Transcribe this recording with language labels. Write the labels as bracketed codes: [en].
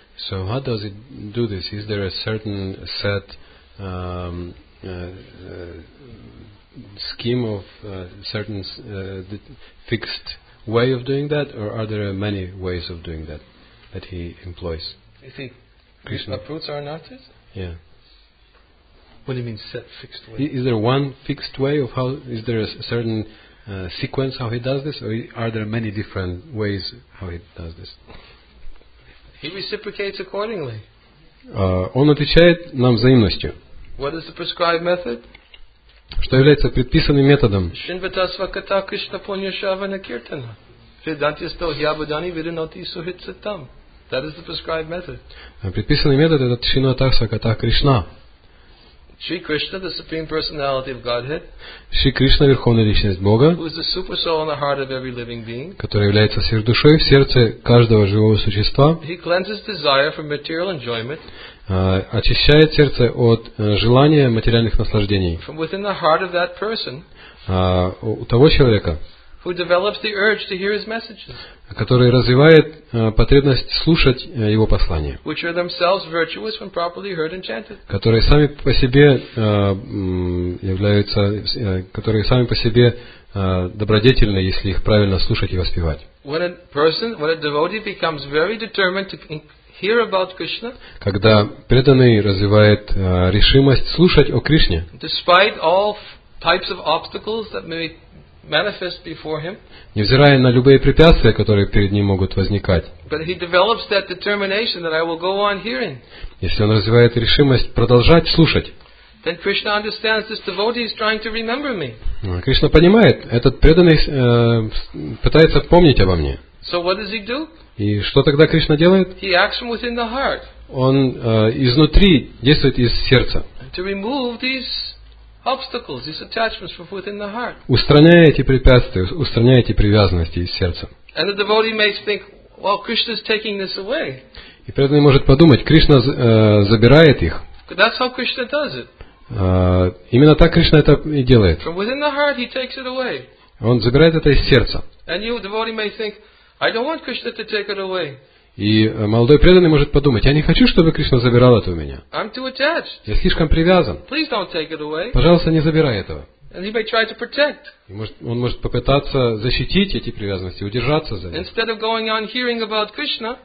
[en] So how does it do this? Is there a certain set scheme of certain fixed way of doing that, or are there many ways of doing that that he employs? You think Krishna fruits our anarthas? Yeah. What do you mean set fixed way? Is there one fixed way of how? Is there a certain sequence how he does this, or are there many different ways how he does this? He reciprocates accordingly. [ru] Он отвечает нам взаимностью. [en] What is the prescribed method? [ru] Что является предписанным методом? [sa] Шинватасвакатта Кришна Пуньяшравана Киртана. Веданти Стохьябудани Виданоти Сухитсаттам. [en] That is the prescribed method. [ru] Предписанный метод это Шинватасвакатта Кришна. [en] Shri Krishna, the Supreme Personality of Godhead, [ru] Shri Krishna, Верховная Личность Бога, [en] who is the super soul in the heart of every living being, [ru] который является сверхдушой в сердце каждого живого существа, [en] he cleanses desire from material enjoyment, [ru] очищает сердце от желания материальных наслаждений, [en] from within the heart of that person, [ru] у того человека, [en] who develops the urge to hear his messages, [ru] который развивает потребность слушать его послания, [en] which are themselves virtuous when properly heard and chanted, [ru] которые сами по себе являются, которые сами по себе добродетельны, если их правильно слушать и воспевать. [en] When a person, when a devotee becomes very determined to hear about Krishna, [ru] когда преданный развивает решимость слушать о Кришне, [en] despite all types of obstacles that may manifest before him, [ru] невзирая на любые препятствия, которые перед ним могут возникать. [en] But he develops that determination that I will go on hearing. [ru] Если он развивает решимость продолжать слушать. [en] Then Krishna understands this devotee is trying to remember me. [ru] Кришна понимает, этот преданный пытается помнить обо мне. [en] So what does he do? [ru] И что тогда Кришна делает? [en] He acts from within the heart. [ru] Он изнутри действует из сердца. [en] To remove these obstacles, these attachments from within the heart. [ru] Устраняя эти препятствия, устраняя эти привязанности из сердца. [en] And the devotee may think, well, Krishna's taking this away. [ru] И преданный может подумать, Кришна забирает их. [en] That's how Krishna does it. [ru] Именно так Кришна это и делает. [en] From within the heart, he takes it away. [ru] Он забирает это из сердца. [en] And you, devotee, may think, I don't want Krishna to take it away. [ru] И молодой преданный может подумать, я не хочу, чтобы Кришна забирал это у меня. [en] I'm too attached. [ru] Я слишком привязан. [en] Please don't take it away. [ru] Пожалуйста, не забирай этого. [en] And he may try to protect. [ru] Он может попытаться защитить эти привязанности, удержаться за них. [en] Instead of going on hearing about Krishna,